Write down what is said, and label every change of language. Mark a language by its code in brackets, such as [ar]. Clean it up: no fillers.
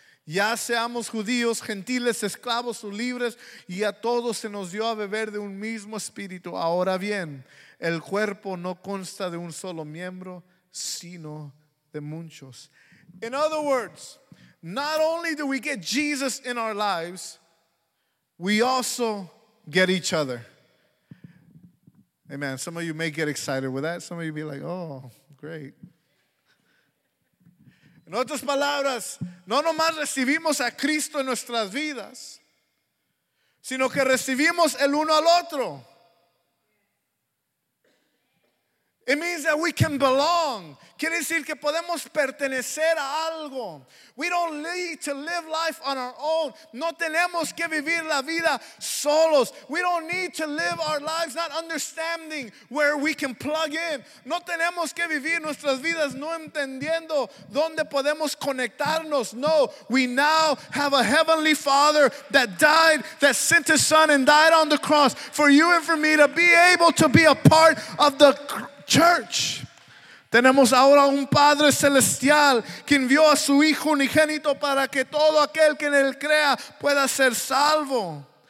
[es] Ya seamos judíos, gentiles, esclavos o libres, y a todos se nos dio a beber de un mismo espíritu. Ahora bien, el cuerpo no consta de un solo miembro, sino de muchos. [en] In other words, not only do we get Jesus in our lives, we also get each other. Amen. Some of you may get excited with that. Some of you be like, oh, great. [es] En otras palabras, no nomás recibimos a Cristo en nuestras vidas, sino que recibimos el uno al otro. [en] It means that we can belong. [es] Quiere decir que podemos pertenecer a algo. [en] We don't need to live life on our own. [es] No tenemos que vivir la vida solos. [en] We don't need to live our lives not understanding where we can plug in. [es] No tenemos que vivir nuestras vidas no entendiendo dónde podemos conectarnos. [en] No, we now have a heavenly Father that died, that sent his Son and died on the cross for you and for me to be able to be a part of the church. [es] Tenemos ahora un Padre Celestial que envió a su Hijo unigénito para que todo aquel que en él crea pueda ser salvo.